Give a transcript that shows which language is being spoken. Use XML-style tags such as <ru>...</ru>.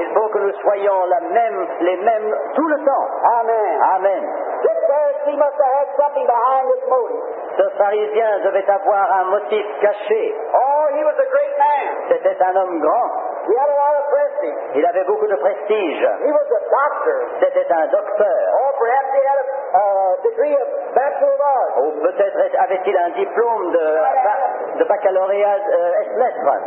<fr>Il faut que nous soyons les mêmes tout le temps. Amen. Amen.</fr> <en>This Pharisee must have had something behind this motive.</en> <fr>Ce pharisien devait avoir un motif caché.</fr> <en>Oh, he was a great man.</en> <fr>C'était un homme grand.</fr> <en>He had a lot of prestige.</en> <fr>Il avait beaucoup de prestige.</fr> <en>He was a doctor.</en> <fr>C'était un docteur.</fr> <en>Oh, perhaps he had a degree of bachelor of arts.</en> <fr>Ou peut-être avait-il un diplôme de baccalauréat et lettres.</fr>